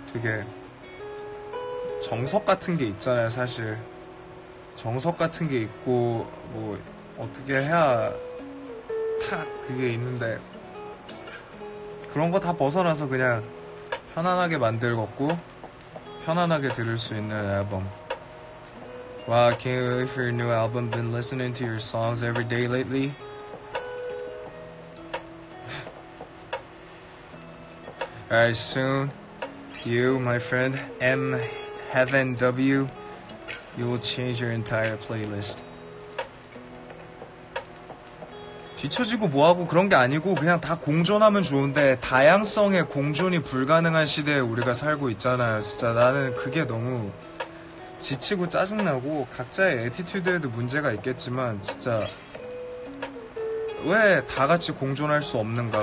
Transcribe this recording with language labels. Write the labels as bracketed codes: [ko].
[ko] 되게 정석 같은 게 있잖아요, 사실. 정석 같은 게 있고, 뭐, 어떻게 해야, 탁, 그게 있는데. 그런 거 다 벗어나서 그냥 편안하게 만들었고, 편안하게 들을 수 있는 앨범. [en] Wow, I can't wait for your new album. Been listening to your songs every day lately. [ko] 알겠어, [en] soon. You, my friend, M. Heaven W, you will change your entire playlist. [ko] 뒤처지고 뭐하고 그런 게 아니고 그냥 다 공존하면 좋은데 다양성의 공존이 불가능한 시대에 우리가 살고 있잖아요. 진짜 나는 그게 너무 지치고 짜증나고 각자의 애티튜드에도 문제가 있겠지만 진짜 왜 다 같이 공존할 수 없는가?